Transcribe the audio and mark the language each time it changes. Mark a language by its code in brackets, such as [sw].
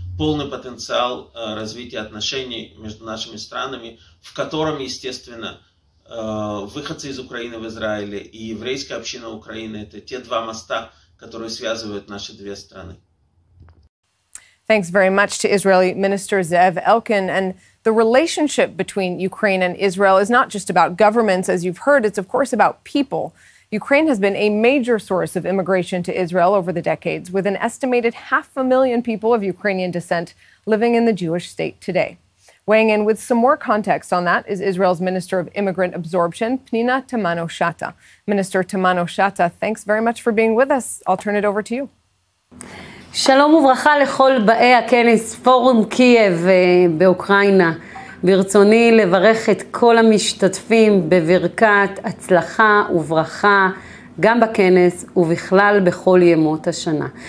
[ru] полный потенциал развития отношений между нашими странами, в котором, естественно, выходцы из Украины в Израиле и еврейская община Украины, это те два моста, которые связывают наши две страны. [en] Thanks very much to Israeli Minister Zev Elkin. And the relationship between Ukraine and Israel is not just about governments, as you've heard. It's, of course, about people. Ukraine has been a major source of immigration to Israel over the decades, with an estimated 500,000 people of Ukrainian descent living in the Jewish state today. Weighing in with some more context on that is Israel's Minister of Immigrant Absorption, Pnina Tamanoshata. Minister Tamanoshata, thanks very much for being with us. I'll turn it over to you. [he] שלום וברכה לכל באי הכנס פורום קייב באוקראינה. ברצוני לברך את כל המשתתפים בברכת הצלחה וברכה גם בכנס ובכלל בכל ימות השנה.